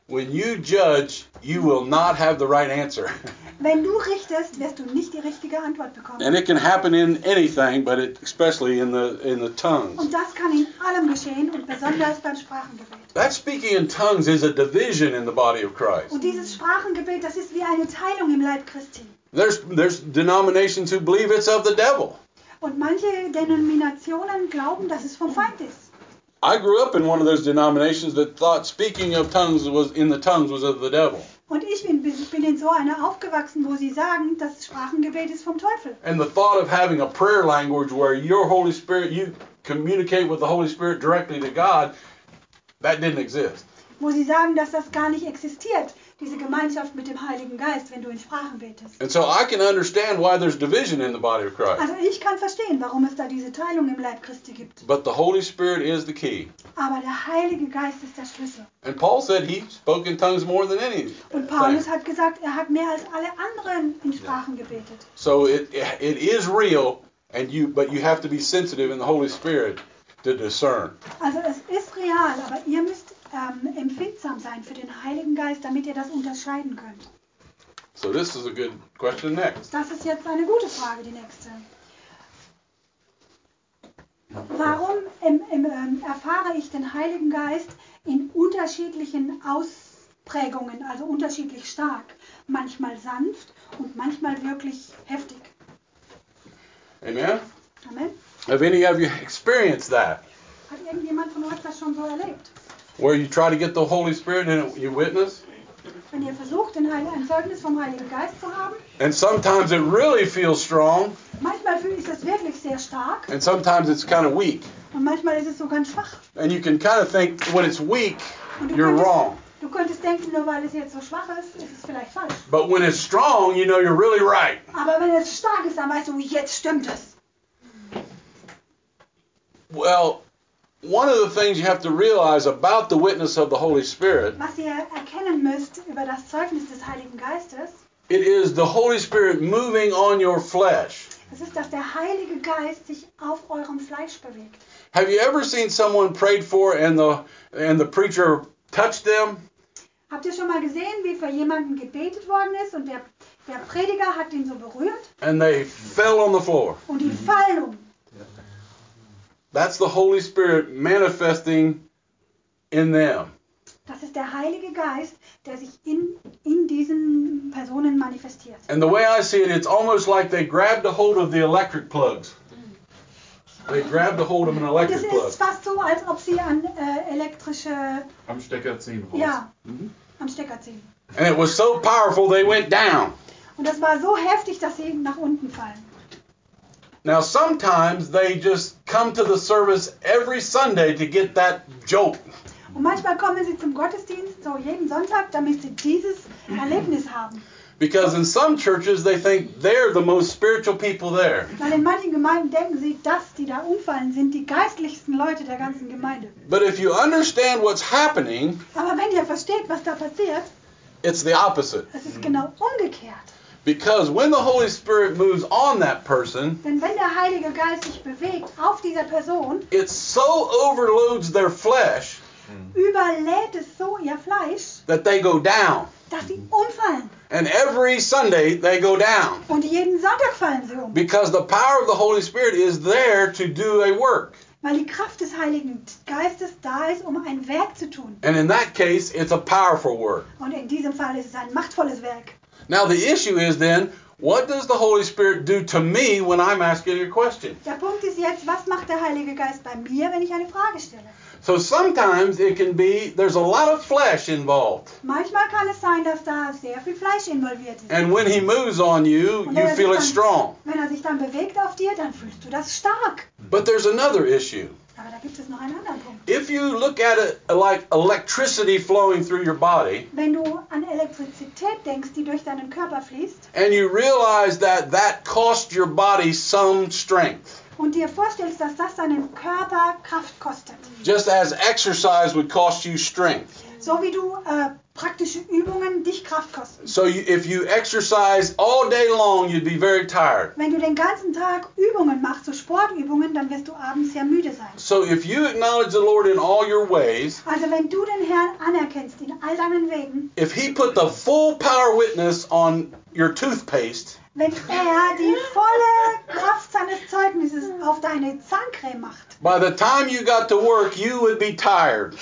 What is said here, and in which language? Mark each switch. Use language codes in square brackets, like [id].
[en] When you judge, you will not have the right answer. [de] Wenn du richtest, wirst du nicht die richtige Antwort bekommen. [en] And it can happen in anything, but especially in the tongues. [de] Und das kann in allem geschehen und besonders beim Sprachengebet. [en] That speaking in tongues is a division in the body of Christ. [de] Und dieses Sprachengebet, das ist wie eine Teilung im Leib Christi. [en] There's denominations who believe it's of the devil. [de] Und manche Denominationen glauben, dass es vom Feind ist. [en] I grew up in one of those denominations that thought speaking of tongues was in the tongues was of the devil. [de] Und ich bin in so einer aufgewachsen, wo sie sagen, das Sprachengebet ist vom Teufel. [en] And the thought of having a prayer language where your Holy Spirit, you communicate with the Holy Spirit directly to God, that didn't exist. [de] Wo sie sagen, dass das gar nicht existiert, diese Gemeinschaft mit dem Heiligen Geist, wenn du in Sprachen betest. [en] And so I can understand why there's division in the body of Christ. [de] Also ich kann verstehen, warum es da diese Teilung im Leib Christi gibt. [en] But the Holy Spirit is the key. [de] Aber der Heilige Geist ist der Schlüssel. [en] And Paul said he spoke in tongues more than any. [de] Und Paulus hat gesagt, er hat mehr als alle anderen in Sprachen gebetet. [en] So it is real, but you have to be sensitive in the Holy Spirit to discern. [de] Also es ist real, aber ihr müsst empfindsam sein für den Heiligen Geist, damit ihr das unterscheiden könnt. [en] So this is a good question next. [de] Das ist jetzt eine gute Frage, die nächste. Warum erfahre ich den Heiligen Geist in unterschiedlichen Ausprägungen, also unterschiedlich stark, manchmal sanft und manchmal wirklich heftig? [en] Amen. [de] Amen. [en] Have any of you experienced that? [de] Hat irgendjemand von euch das schon so erlebt? [en] Where you try to get the Holy Spirit and you witness. [de] Wenn ihr versucht, ein Zeugnis vom Heiligen Geist zu haben. [en] And sometimes it really feels strong. [de] Manchmal ist es wirklich sehr stark. [en] And sometimes it's kind of weak. [de] Und manchmal ist es so ganz schwach. [en] And you can kind of think, when it's weak, you're wrong. [de] Du könntest denken, nur weil es jetzt so schwach ist, ist es vielleicht falsch. [en] But when it's strong, you know you're really right. [de] Aber wenn es stark ist, dann weißt du, jetzt stimmt es. [en] Well, one of the things you have to realize about the witness of the Holy Spirit, [de] was ihr erkennen müsst über das Zeugnis des Heiligen Geistes, [en] it is the Holy Spirit moving on your flesh. [de] Es ist, dass der Heilige Geist sich auf eurem Fleisch bewegt. [en] Have you ever seen someone prayed for and the preacher touched them? [de] Habt ihr schon mal gesehen, wie für jemanden gebetet worden ist und der Prediger hat ihn so berührt? [en] And they fell on the floor. [de] Und die fallen um. [en] That's the Holy Spirit manifesting in them. [de] Das ist der Heilige Geist, der sich in diesen Personen manifestiert. [en] And the way I see it, it's almost like they grabbed a hold of the electric plugs. They grabbed a hold of an electric plug. [de] Das ist fast so, als ob sie an elektrische... Am Stecker ziehen. Holst. Ja, mhm. Am Stecker ziehen. [en] And it was so powerful, they went down. [de] Und das war so heftig, dass sie nach unten fallen. [en] Now sometimes they just come to the service every Sunday to get that jolt. [de] Und manchmal kommen sie zum Gottesdienst so jeden Sonntag, damit sie dieses Erlebnis haben. [en] Because in some churches they think they're the most spiritual people there. [de] Weil in manchen Gemeinden denken sie, dass die da umfallen sind die geistlichsten Leute der ganzen Gemeinde. [en] But if you understand what's happening, [de] aber wenn ihr versteht, was da passiert, [en] it's the opposite. [de] Es ist genau umgekehrt. [en] Because when the Holy Spirit moves on that person, [de] denn wenn der Heilige Geist sich bewegt auf dieser Person, [en] it so overloads their flesh, [de] überlädt es so ihr Fleisch, [en] that they go down. [de] Dass sie umfallen. [en] And every Sunday they go down. [de] Und jeden Sonntag fallen sie um. [en] Because the power of the Holy Spirit is there to do a work. [de] Weil die Kraft des Heiligen Geistes da ist, um ein Werk zu tun. [en] And in that case, it's a powerful work. [de] Und in diesem Fall ist es ein machtvolles Werk. [en] Now the issue is then, what does the Holy Spirit do to me when I'm asking a question? [de] Der Punkt ist jetzt, was macht der Heilige Geist bei mir, wenn ich eine Frage stelle? [en] So sometimes it can be, there's a lot of flesh involved. [de] Manchmal kann es sein, dass da sehr viel Fleisch involviert ist. [en] And when he moves on you, you feel it strong. [de] Wenn er sich dann bewegt auf dir, dann fühlst du das stark. [en] But there's another issue. [de] Aber da gibt es noch einen anderen Punkt. [en] If you look at it like electricity flowing through your body, [de] wenn du an Elektrizität denkst, die durch deinen Körper fließt, [en] and you realize that that cost your body some strength, [de] und dir vorstellst, dass das deinen Körper Kraft kostet, [en] just as exercise would cost you strength, [de] so wie du praktische Übungen dich Kraft kosten. [en] So if you exercise all day long, you'd be very tired. [de] Wenn du den ganzen Tag Übungen machst, so Sportübungen, dann wirst du abends sehr müde sein. [en] So if you acknowledge the Lord in all your ways, [de] also wenn du den Herrn anerkennst in all deinen Wegen, [en] if he put the full power witness on your toothpaste, [de] wenn er die volle Kraft seines Zeugnisses auf deine Zahncreme macht, [en] by the time you got to work, you would be tired.